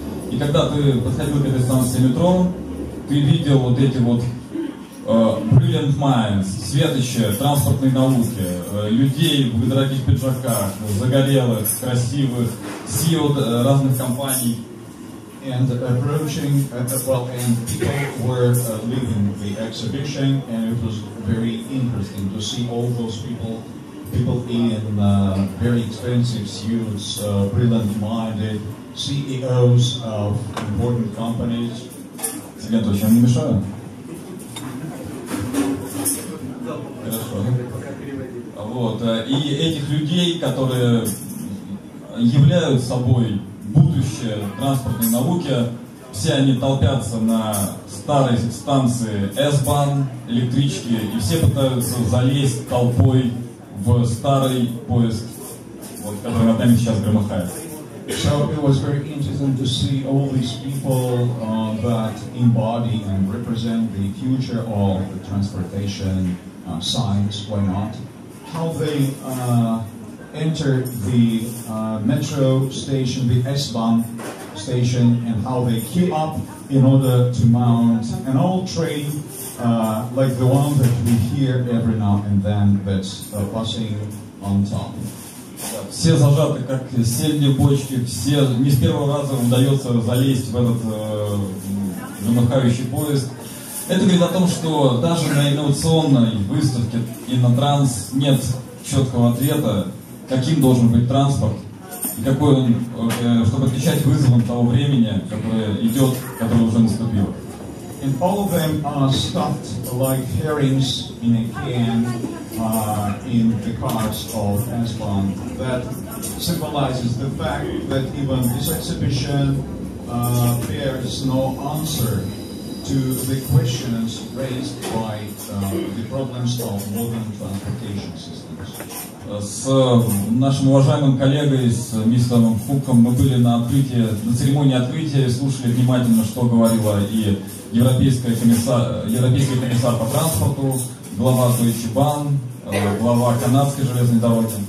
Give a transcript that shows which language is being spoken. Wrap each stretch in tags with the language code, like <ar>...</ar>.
<ru>И когда ты подходил к этой станции метро, ты видел вот эти вот</ru> <en>brilliant minds,</en> <ru>светочи, транспортной науки, людей в дорогих пиджаках, загорелых, красивых, CEO разных компаний.</ru> <en>And approaching, and people were leaving the exhibition, and it was very interesting to see all those people, people in very expensive suits, brilliant minded, CEOs of important companies.</en> <ru>Я точно не мешаю. Хорошо. Вот. И этих людей, которые являют собой будущее транспортной науки, все они толпятся на старой станции S-Bahn, электрички, и все пытаются залезть толпой в старый поезд, вот, который над нами сейчас громыхает.</ru> <en>So it was very interesting to see all these people that embody and represent the future of the transportation science, why not, how they enter the metro station, the S-Bahn station, and how they queue up in order to mount an old train like the one that we hear every now and then that's passing on top.</en> <ru>Все зажаты, как сельди бочки, все не с первого раза удается залезть в этот громыхающий поезд. Это говорит о том, что даже на инновационной выставке Innotrans нет четкого ответа, каким должен быть транспорт, и какой он, чтобы отвечать вызовам того времени, которое идет, которое уже наступило.</ru> <en>And all of them are stuffed like herrings in a can in the cars of S-Bahn. That symbolizes the fact that even this exhibition bears no answer to the questions raised by the problems of modern transportation systems.</en> <ru>С нашим уважаемым коллегой, с мистером Фуком, мы были на открытии, на церемонии открытия и слушали внимательно, что говорила и Европейский комиссар по транспорту, глава Deutsche Bahn, глава канадской железной дороги.</ru>